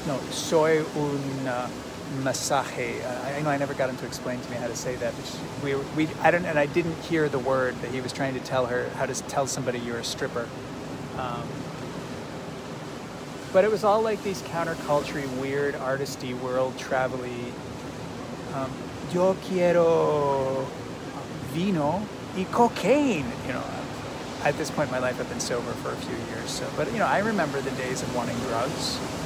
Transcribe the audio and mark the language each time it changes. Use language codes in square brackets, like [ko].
[es] Soy un masaje. [en] I know I never got him to explain to me how to say that. I didn't hear the word that he was trying to tell her, how to tell somebody you're a stripper. But it was all like these counterculture-y, weird, artist-y, world travel-y. [es] Yo quiero vino y cocaine. [en] You know, at this point in my life, I've been sober for a few years. So, but you know, I remember the days of wanting drugs.